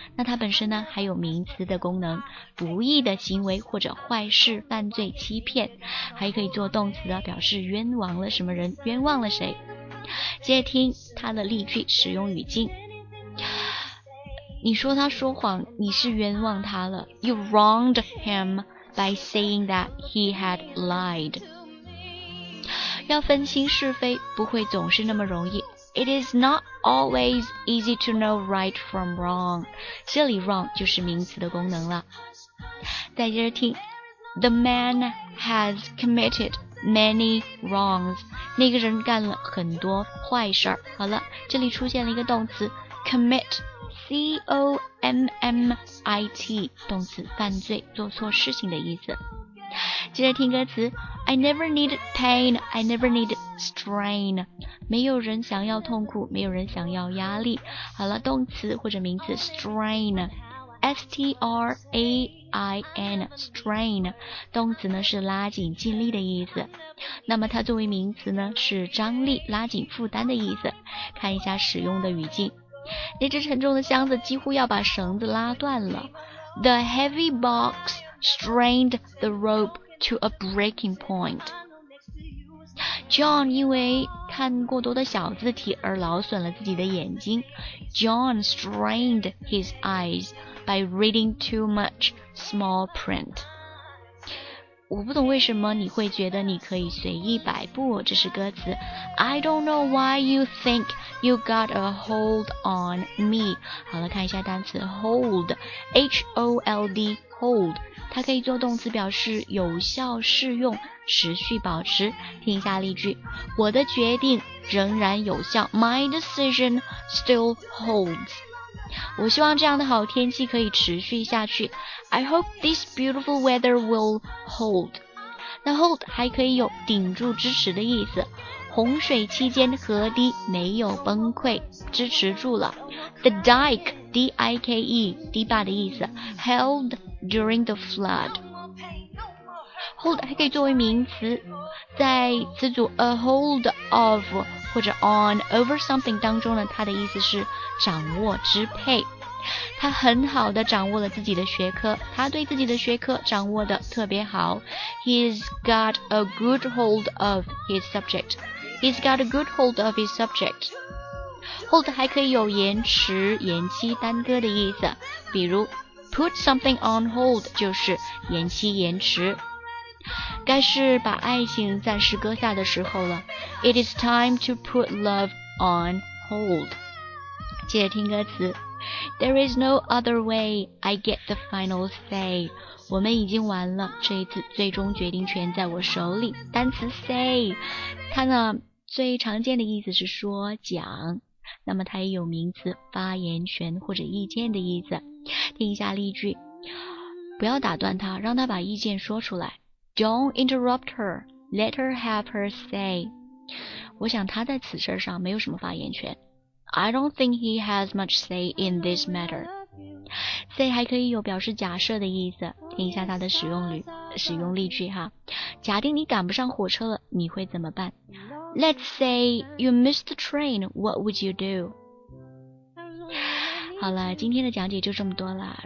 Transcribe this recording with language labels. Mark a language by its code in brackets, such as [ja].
[zh] 那它本身呢，还有名词的功能，不义的行为或者坏事、犯罪、欺骗，还可以做动词的，表示冤枉了什么人、冤枉了谁。接着听它的例句使用语境。你说他说谎，你是冤枉他了。 [en] You wronged him by saying that he had lied. [zh] 要分清是非，不会总是那么容易。 [en] It is not always easy to know right from wrong. [zh] 这里 wrong 就是名词的功能了。再接着听 ， [en] The man has committed many wrongs. [zh] 那个人干了很多坏事儿。好了，这里出现了一个动词 commit。C-O-M-M-I-T 动词犯罪做错事情的意思接着听歌词 [en] I never needed pain I never needed strain [zh] 没有人想要痛苦没有人想要压力好了动词或者名词 strain S-T-R-A-I-N strain 动词呢是拉紧尽力的意思那么它作为名词呢是张力拉紧负担的意思看一下使用的语境那只沉重的箱子几乎要把绳子拉断了。 [en] The heavy box strained the rope to a breaking point. [zh] John 因为看过多的小字体而劳损了自己的眼睛。 [en] John strained his eyes by reading too much small print. [zh] 我不懂为什么你会觉得你可以随意摆布，这是歌词。 [en] I don't know why you think. You got a hold on me. [zh] 好了，看一下单词 hold, H-O-L-D, hold. 它可以做动词，表示有效适用、持续保持。听一下例句：我的决定仍然有效。 [en] My decision still holds. [zh] 我希望这样的好天气可以持续下去。 [en] I hope this beautiful weather will hold. [zh] 那 hold 还可以有顶住支持的意思。洪水期间河堤没有崩溃，支持住了。 [en] The dike, D-I-K-E, [zh] 堤坝的意思 [en] ,held during the flood. [zh] Hold 还可以作为名词，在词组 a hold of 或者 on over something 当中呢，它的意思是掌握、支配。他很好的掌握了自己的学科，他对自己的学科掌握的特别好。 [en] He's got a good hold of his subject. He's got a good hold of his subject. [zh] Hold 还可以有延迟、延期、耽搁的意思，比如 [en] put something on hold [zh] 就是延期、延迟。该是把爱情暂时搁下的时候了。 [en] It is time to put love on hold. [zh] 接着听歌词。 [en] There is no other way, I get the final say. [zh] 我们已经完了，这一次最终决定权在我手里。单词 say, 它呢最常见的意思是说讲，那么它也有名词发言权或者意见的意思。听一下例句。不要打断他，让他把意见说出来。 [en] Don't interrupt her. Let her have her say. [zh] 我想他在此事上没有什么发言权。 [en] I don't think he has much say in this matter. [zh] Say 还可以有表示假设的意思。听一下它的使用例句哈。假定你赶不上火车了，你会怎么办？ [en] Let's say you missed the train. What would you do? [zh] 好了，今天的讲解就这么多了。